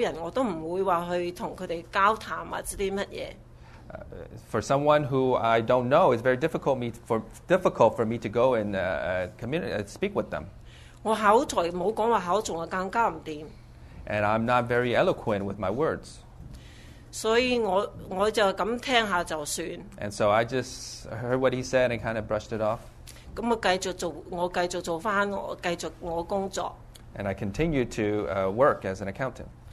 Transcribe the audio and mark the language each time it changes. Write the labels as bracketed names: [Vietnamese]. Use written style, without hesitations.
[Cantonese] 我唔識得，有陣時我生保人，我都唔會話去同佢哋交談或者啲乜嘢。 [English] For someone who I don't know, it's very difficult for me to go and speak with them. [Cantonese] 我口才，冇講話口才，我更加唔掂。 [English] And I'm not very eloquent with my words. [Cantonese] 所以我就咁聽下就算。 [English] And so I just heard what he said and kind of brushed it off. [Cantonese] 咁我繼續做，我繼續做翻我工作。 [English] And I continued to work as an accountant.